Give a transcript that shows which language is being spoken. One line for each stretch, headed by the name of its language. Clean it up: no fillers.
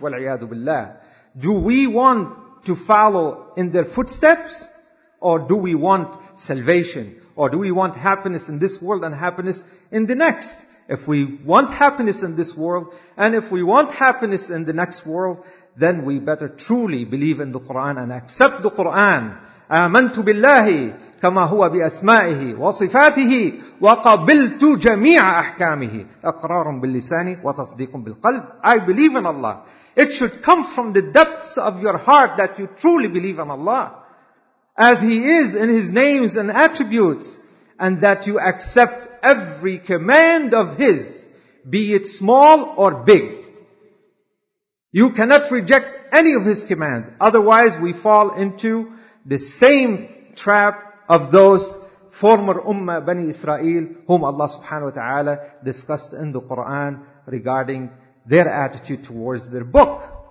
Arabic: وَالْعِيَادُ بِاللَّهِ
English: Do we want to follow in their footsteps? Or do we want salvation? Or do we want happiness in this world and happiness in the next? If we want happiness in this world, and if we want happiness in the next world, then we better truly believe in the Qur'an and accept the Qur'an.
Arabic: آمَنْتُ بِاللَّهِ كَمَا هُوَ بِأَسْمَائِهِ وَصِفَاتِهِ وَقَبِلْتُ جَمِيعَ أَحْكَامِهِ أَقْرَارٌ بِاللِّسَانِ وَتَصْدِيقٌ بِالْقَلْبِ
English: I believe in Allah. It should come from the depths of your heart that you truly believe in Allah. As He is in His names and attributes, and that you accept every command of His, be it small or big. You cannot reject any of His commands. Otherwise, we fall into the same trap of those former Ummah Bani Israel, whom Allah subhanahu wa ta'ala discussed in the Quran regarding their attitude towards their book.